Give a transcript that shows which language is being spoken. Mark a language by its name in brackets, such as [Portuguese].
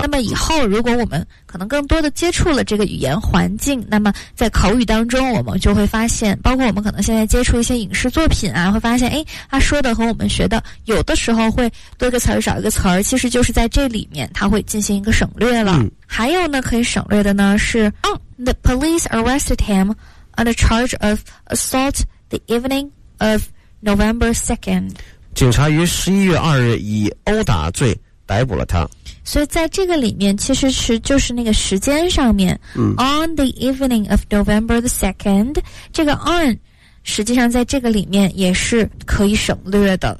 [Chinese] 那么以后如果我们可能更多的接触了这个语言环境，那么在口语当中我们就会发现，包括我们可能现在接触一些影视作品啊，会发现诶他说的和我们学的有的时候会多一个词儿少一个词儿，其实就是在这里面他会进行一个省略了、嗯、还有呢可以省略的呢是 [English] The police arrested him on the charge of assault the evening of November 2nd， [Chinese] 警察于11月2日以殴打罪逮捕了他。所以在这个里面其实是就是那个时间上面、嗯、 [English] on the evening of November the 2nd， [Chinese] 这个 on 实际上在这个里面也是可以省略的。